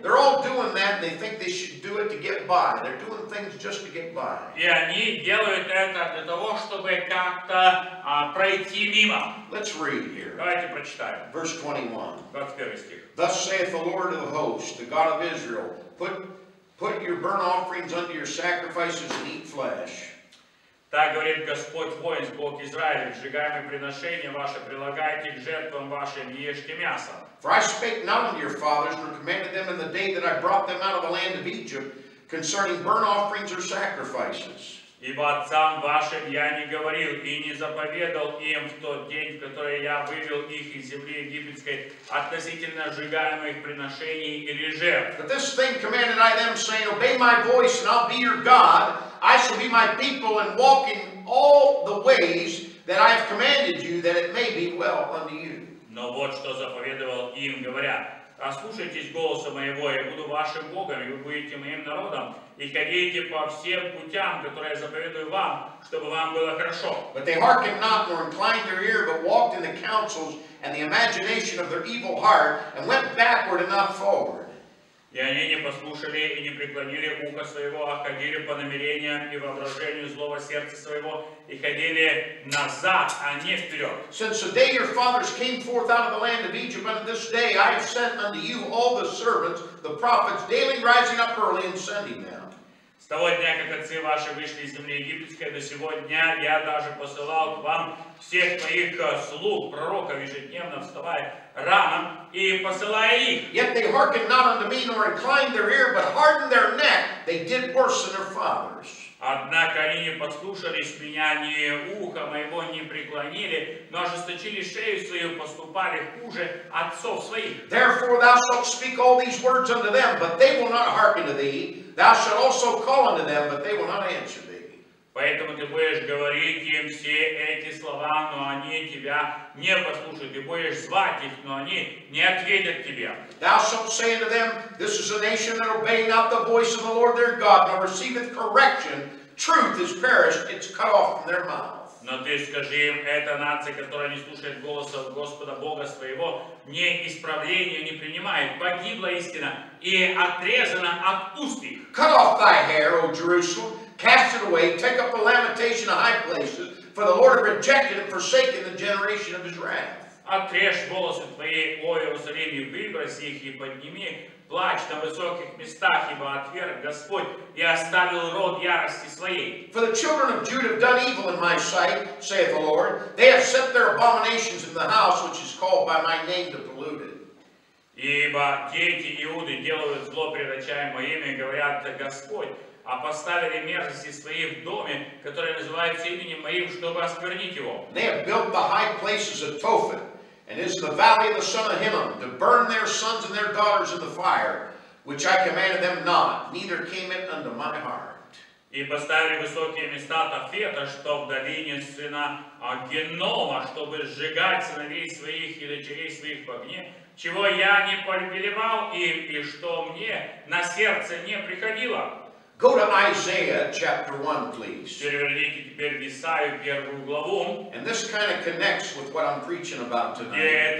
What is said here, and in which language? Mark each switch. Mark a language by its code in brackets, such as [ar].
[en] they're all doing that, they think they should do it to get by. They're doing things just to get by. [ru] И они делают это для того, чтобы как-то пройти мимо. [en] Let's read here. [ru] Давайте прочитаем. [en] Verse 21. [ru] 21 стих. [en] Thus saith the Lord of hosts, the God of Israel, put your burnt offerings unto your sacrifices and eat flesh. [ru] Так говорит Господь воин, Бог Израиля, сжигаемые приношения ваши, прилагайте к жертвам вашим, ешьте мясо. [en] For I spake not unto your fathers, nor commanded them in the day that I brought them out of the land of Egypt, concerning burnt offerings or sacrifices. [ru] Ибо отцам вашим я не говорил и не заповедал им в тот день, в который я вывел их из земли египетской, относительно сжигаемых приношений или жертв. [en] But this thing commanded I them, saying, Obey my voice, and I'll be your God. I shall be my people and walk in all the ways that I have commanded you, that it may be well unto you. [ru] Но вот что заповедовал им, говоря: Ослушайтесь голоса моего, я буду вашим Богом, и вы будете моим народом, и ходите по всем путям, которые я заповедую вам, чтобы вам было хорошо. [en] But they hearkened not, nor inclined their ear, but walked in the counsels and the imagination of their evil heart, and went backward and not forward. [ru] И они не послушали и не преклонили ухо своего, а ходили по намерениям и воображению злого сердца своего, и ходили назад, а не вперед. [en] Since the day your fathers came forth out of the land of Egypt, unto this day I have sent unto you all the servants, the prophets, daily rising up early and sending them. [ru] С того дня, как отцы ваши вышли из земли египетской, до сего дня я даже посылал к вам всех моих слуг, пророков, ежедневно вставая рано и посылая их. [en] Yet they hearkened not unto me, nor inclined their ear, but hardened their neck. They did worse than their fathers. [ru] Однако они не послушались меня, ни ухо моего не преклонили, но ожесточили шею свою, поступали хуже отцов своих. [en] Therefore thou shalt speak all these words unto them, but they will not hearken to thee. Thou shalt also call unto them, but they will not answer thee. [ru] Поэтому ты будешь говорить им все эти слова, но они тебя не послушают. Ты будешь звать их, но они не ответят тебе. [en] Thou shalt say unto them, this is a nation that obey not the voice of the Lord their God, nor receiveth correction. Truth is perished, it's cut off from their mouth. [ru] Но ты скажи им, это нация, которая не слушает голоса Господа Бога своего, не исправление не принимает, погибла истина и отрезана от уст их. [en] Cut off thy hair, O Jerusalem, cast it away, take up a lamentation in high places, for the Lord rejected and forsaken the generation of his wrath. [ru] Отрежь волосы твои, о Иерусалим, и выброси их, и подними плач на высоких местах, ибо отверг Господь и оставил род ярости своей. [en] For the children of Judah have done evil in my sight, saith the Lord. They have set their abominations in the house, which is called by my name to pollute it. [ru] Ибо дети Иуды делают зло пред очами моими, говорят, Господь, а поставили мерзости свои в доме, который называется именем моим, чтобы осквернить его. [en] They have built the high places of Tophet, and is the valley of the son of Hinnom, to burn their sons and their daughters in the fire, which I commanded them not, neither came it unto my heart. [ru] И поставили высокие места Тофета, что в долине сына Геннома, чтобы сжигать сыновей своих и дочерей своих в огне, чего я не повелевал им, и что мне на сердце не приходило. [en] Go to Isaiah chapter 1, please. And this kind of connects with what I'm preaching about tonight.